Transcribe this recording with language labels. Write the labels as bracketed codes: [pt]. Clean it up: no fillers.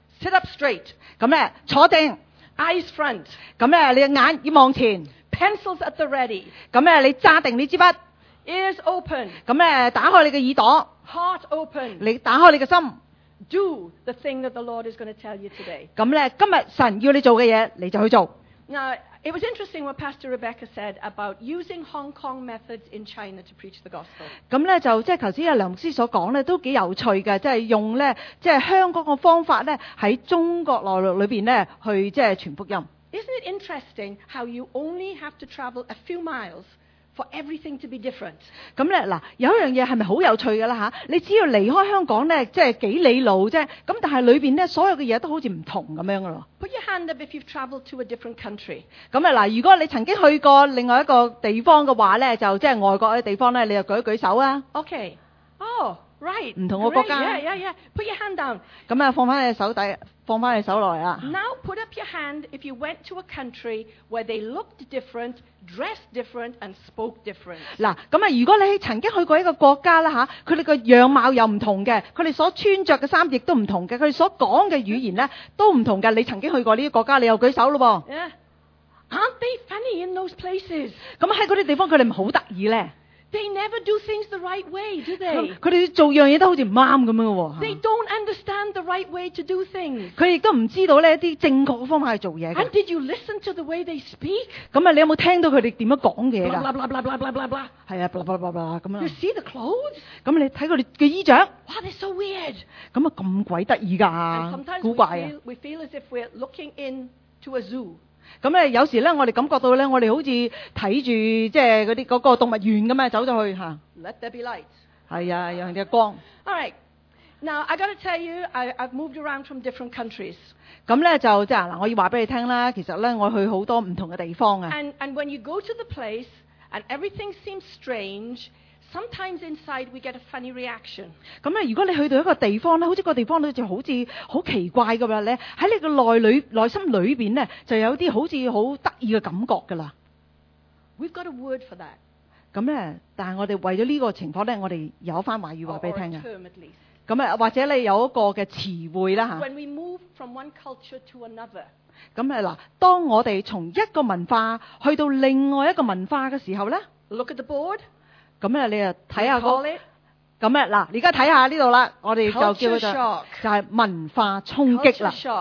[en] Sit up straight. [yue] 咁咧，坐定。 [en] Eyes front. [yue] 咁咧，你眼要望前。 [en] Pencils at the ready. [yue] 咁咧，你揸定你支笔。 [en] Ears open. [yue] 咁咧，打開你嘅耳朵。 [en] Heart open. [yue] 你打開你嘅心。 [en] Do the thing that the Lord is going to tell you today. [yue] 咁咧，今日神要你做嘅嘢，你就去做。 [en] Now it was interesting what Pastor Rebecca said about using Hong Kong methods in China to preach the gospel. [yue] 咁咧就即系头先阿梁牧师所讲咧，都几有趣嘅，即系用咧即系香港嘅方法咧喺中国内陆里边咧去即系传福音。 [en] Isn't it interesting how you only have to travel a few miles? For everything to be different. [yue] 咁咧嗱，有一樣嘢係咪好有趣嘅啦嚇？你只要離開香港咧，即係幾里路啫。咁但係裏邊咧，所有嘅嘢都好似唔同咁樣嘅咯。 [en] Put your hand up if you've travelled to a different country. [yue] 咁啊嗱，如果你曾經去過另外一個地方嘅話咧，就即係外國嘅地方咧，你就舉一舉手啊。 [en] Okay. Oh, right. [yue] 唔同嘅國家。 [en] Yeah, yeah, yeah. Put your hand down. [yue] 咁啊，放翻你手底，放翻你手內啊。 [en] Now put up your hand if you went to a country where they looked different. Dressed different and spoke different. [yue] 嗱，咁啊，如果你曾經去過一個國家啦嚇，佢哋個樣貌又唔同嘅，佢哋所穿著嘅衫亦都唔同嘅，佢哋所講嘅語言咧都唔同嘅。你曾經去過呢啲國家，你又舉手咯噃。 [en] Yeah. Aren't they funny in those places? [yue] 咁喺嗰啲地方，佢哋唔好得意咧。 [en] They never do things the right way, do they? [yue] 佢哋做樣嘢都好似唔啱咁樣嘅喎。 [en] They don't understand the right way to do things. [yue] 佢亦都唔知道咧啲正確嘅方法去做嘢。 [en] And did you listen to the way they speak? [yue] 咁啊，你有冇聽到佢哋點樣講嘢㗎？Blah blah blah blah blah blah blah. 係啊 ，blah blah blah blah 咁啊。 [en] You see the clothes? [yue] 咁你睇佢哋嘅衣着。 [en] Wow, they're so weird. [yue] 咁啊，咁鬼得意㗎，古怪啊。 [en] We feel as if we're looking into a zoo. [yue] 咁咧，有時咧，我哋感覺到咧，我哋好似睇住即係嗰啲嗰個動物園咁啊，走咗去嚇。 [en] Let there be light。 [yue] 係啊，有啲光。 [en] All right. Now I got to tell you, I've moved around from different countries。 [yue] 咁咧就即係嗱，我要話俾你聽啦。其實咧，我去好多唔同嘅地方啊。 [en] And when you go to the place and everything seems strange, Sometimes inside we get a funny reaction. [yue] 咁如果你去到一个地方咧，好似个地方咧就好似好奇怪噶啦咧，喺你个内心里边咧就有啲好似好得意嘅感觉噶啦。 [en] We've got a word for that. [yue] 咁咧，但系我哋为咗呢个情况咧，我哋有翻话语话俾你听嘅。咁啊，或者你有一个嘅词汇啦吓。 [en] When we move from one culture to another. [yue] 咁啊嗱，当我哋从一个文化去到另外一个文化嘅时候咧 [en] ，Look at the board。 [yue] 咁你又睇下个，咁嗱，而家睇下呢度啦，我哋就叫做就系文化冲击啦。